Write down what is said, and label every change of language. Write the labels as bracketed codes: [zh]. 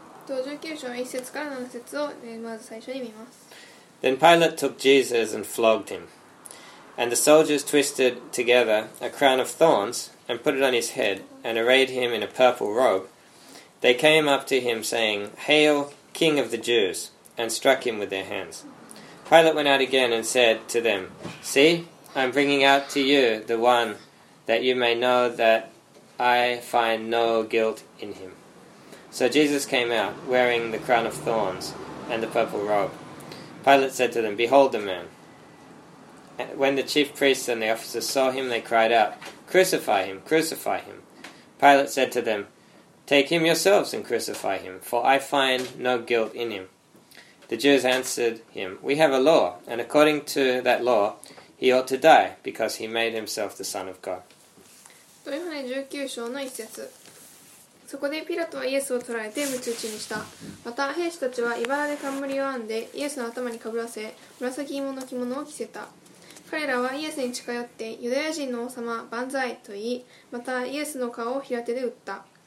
[ja] 19章1節から7節をまず最初に見ます。 [en] Then Pilate took Jesus and flogged him. And the soldiers twisted together a crown of thorns and put it on his head and arrayed him in a purple robe. They came up to him saying, Hail, King of the Jews, and struck him with their hands. Pilate went out again and said to them, See, I'm bringing out to you the one that you may know that I find no guilt in him. So Jesus came out wearing the crown of thorns and the purple robe. Pilate said to them, Behold the man. When the chief priests and the officers saw him, they cried out, Crucify him, crucify him. Pilate said to them, Take him yourselves and crucify him, for I find no guilt in him. The Jews answered him, We have a law, and according to that law, he ought to die, because he made himself the Son of God. [ja] ヨハネ19章の1節。そこでピラトはイエスを捕らえて鞭打ちにした。また兵士たちは茨で冠を編んでイエスの頭にかぶらせ紫色の着物を着せた。彼らはイエスに近寄ってユダヤ人の王様万歳と言い、またイエスの顔を平手で打った。